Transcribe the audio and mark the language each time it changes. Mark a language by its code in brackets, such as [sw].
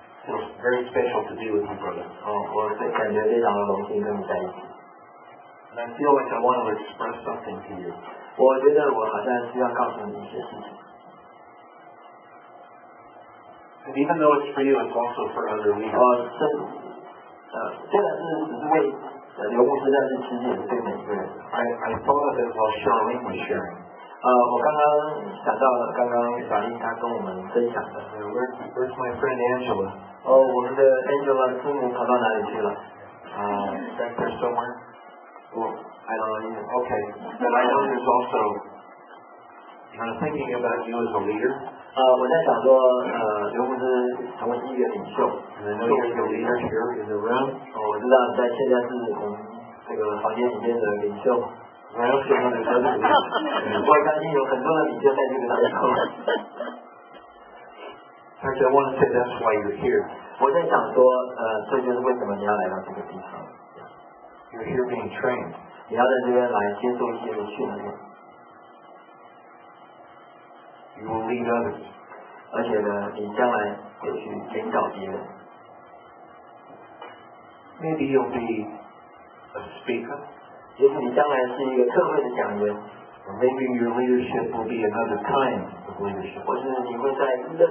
[en] It's very special to be with you, brother. [zh] 哦，我感觉非常的荣幸跟你在一起。 [en] And I feel like I want to express something to you. [zh] 我觉得我好像需要告诉你一些事情。 [en] And even though it's for you, it's also for other leaders. [zh] 哦，这个是为刘牧师，但是其实也是对每一个人。 [en] I thought of it while Charlene was sharing. [zh] 我刚刚想到了刚刚小英她跟我们分享的。 [en] Where's my friend Angela? [zh] 哦，我们的 Angela 今年跑到哪里去了？ [en] Back there somewhere. Well, I don't know. Okay, but I know there's also thinking about you as a leader. [zh] 我在想说，刘牧师成为一员领袖。 [en] And I know you're the leader here in the room. [zh] 我知道在现在是我们这个房间里面的领袖。我相信有很多的领袖在这个当中。 [en] Actually, I want to say that's why you're here. [zh] 我在想说，这就是为什么你要来到这个地方。 [en] You're here being trained. [zh] 你要在这边来接受一些的训练。 [en] You will lead others. [zh] 而且呢，你将来会去领导别人。 [en] Maybe you'll be a speaker. [zh] 也许你将来是一个特会的讲员。 [en] Or maybe your leadership will be another kind of leadership.